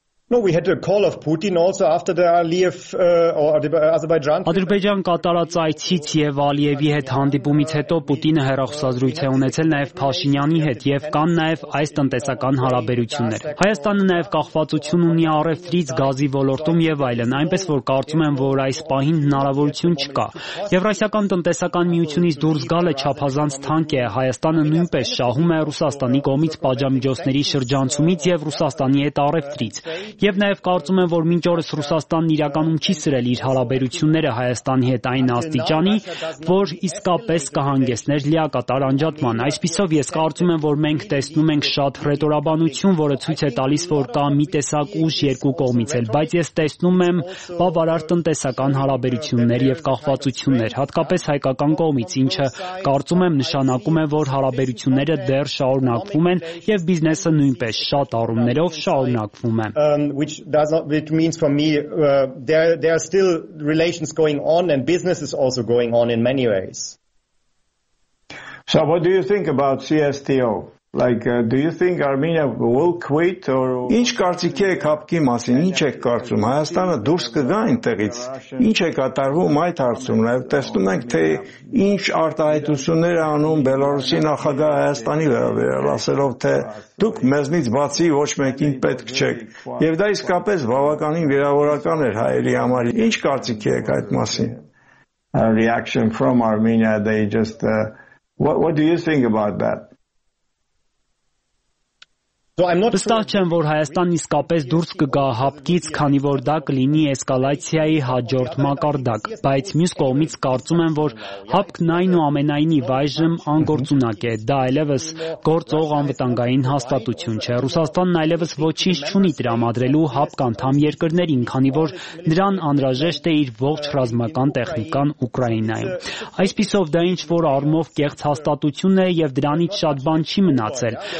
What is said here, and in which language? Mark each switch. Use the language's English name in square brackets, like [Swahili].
[English] No, we had a call of Putin also after the Aliyev Azerbaijan. [Armenian] Ադրբեջան կատարած այցից եւ Ալիևի հետ հանդիպումից հետո Պուտինը հեռախոսազրույց է ունեցել նաեւ Փաշինյանի հետ եւ կան նաեւ այս տնտեսական հարաբերություններ։ Հայաստանը նաեւ կախվածություն ունի առևտրից, գազի ոլորտում եւ այլն, այնպես որ կարծում եմ, որ այս պահին հնարավորություն չկա։ Եվրասիական տնտեսական միությունից դուրս գալը չափազանց թանկ է։ Հայաստանը նույնպես շահում է Ռուսաստանի կողմից պատժամիջոցների շրջանցումից եւ Ռուսաստանի հետ առևտրից։ Եվ նաև կարծում եմ, որ մինչ օրս Ռուսաստանն իրականում չի սրել իր հարաբերությունները Հայաստանի հետ այն աստիճանի, որ իսկապես կհանգեսներ լիակատար անջատման։ Այսպիսով ես կարծում եմ, որ մենք տեսնում ենք շատ ռետորաբանություն, որը ցույց է տալիս, որ կա մի տեսակ ուժ երկու կողմից էլ, բայց ես տեսնում եմ բավարար տնտեսական հարաբերություններ եւ կախվածություններ, հատկապես հայկական կողմից, ինչը կարծում եմ նշանակում է, որ հարաբերությունները դեռ շարունակվում են եւ բիզնեսը նույնպես շատ առումներով շարունակվում է։ [English] Which means for me there are still relations going on and business is also going on in many ways. So what do you think about CSTO? Do you think Armenia will quit or [Armenian] Ինչ կարծիք եք հապկի մասին, ինչ եք կարծում, Հայաստանը դուրս կգա այնտեղից, ինչ է կատարվում այդ հարցում, նաև տեսնում ենք, թե ինչ արտահայտություններ է անում Բելարուսի նախագահ Հայաստանի վերաբերյալ, ասելով, թե դուք մեզնից բացի ոչ մեկին պետք չեք, եւ դա իսկապես բավականին վիրավորական էր հայերի համար։ Ինչ կարծիք եք այդ մասին? [English] A reaction from Armenia, they just what do you think about that? [Armenian] Վստահ չեմ, որ Հայաստանն իսկապես դուրս կգա հապկից, քանի որ դա կլինի էսկալացիայի հաջորդ մակարդակ, բայց մյուս կողմից կարծում եմ, որ հապկն այնուամենայնիվ այժմ անգործունակ է, դա այլևս գործող անվտանգային հաստատություն չէ։ Ռուսաստանն այլևս ոչինչ չունի դրամադրելու հապկ անդամ երկրներին, քանի որ նրան անհրաժեշտ է իր ողջ ռազմական տեխնիկան Ուկրաինայում։ Այսպիսով դա ինչ որ արմով կեղծ հաստատություն է եւ դրանից շատ բան չի մնացել,